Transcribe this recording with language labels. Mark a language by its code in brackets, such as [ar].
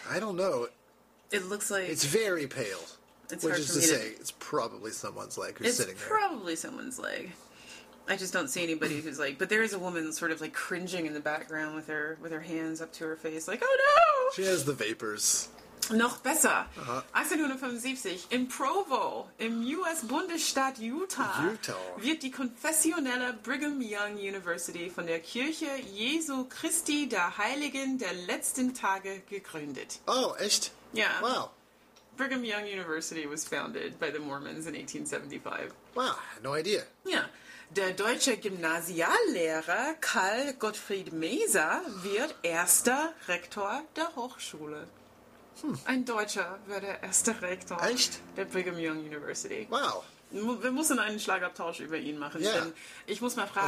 [en] I don't know. It looks like... It's very pale. Which is to say, it's probably someone's leg who's sitting there. It's probably someone's leg. I just don't see anybody who's like... But there is a woman sort of like cringing in the background with her hands up to her face. Like, oh no! She has the vapors. [de] Noch besser. Uh-huh. 1875, in Provo, im US Bundesstaat Utah, wird die konfessionelle Brigham Young University von der Kirche Jesu Christi der Heiligen der letzten Tage gegründet. Oh, echt? Ja. Yeah. Wow. [en] Brigham Young University was founded by the Mormons in 1875. Wow, no idea. Ja. Yeah. [de] Der deutsche Gymnasiallehrer Karl Gottfried Meser wird erster Rektor der Hochschule. Hm. Ein Deutscher wäre der erste Rektor. Echt? Der Brigham Young University. Wow. Wir müssen einen Schlagabtausch über ihn machen. Yeah. Denn ich muss mal fragen.